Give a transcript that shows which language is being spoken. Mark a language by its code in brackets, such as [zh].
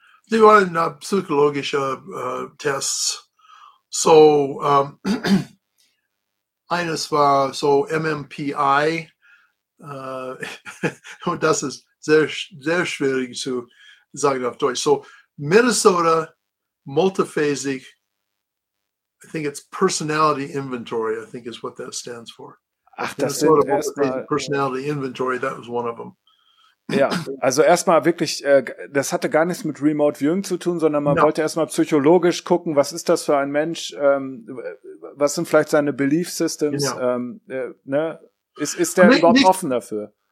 [de] Die waren psychologische Tests. So eines war so MMPI, und das ist sehr, sehr schwierig zu sagen auf Deutsch. [en] So Minnesota Multiphasic, I think it's Personality Inventory, I think is what that stands for. [de] Ach, das sind erst mal, [en] Personality Inventory, that was one of them. [de] Ja, also erstmal wirklich, das hatte gar nichts mit Remote Viewing zu tun, sondern man wollte erstmal psychologisch gucken, was ist das für ein Mensch, was sind vielleicht seine Belief Systems, ist der überhaupt nicht offen dafür?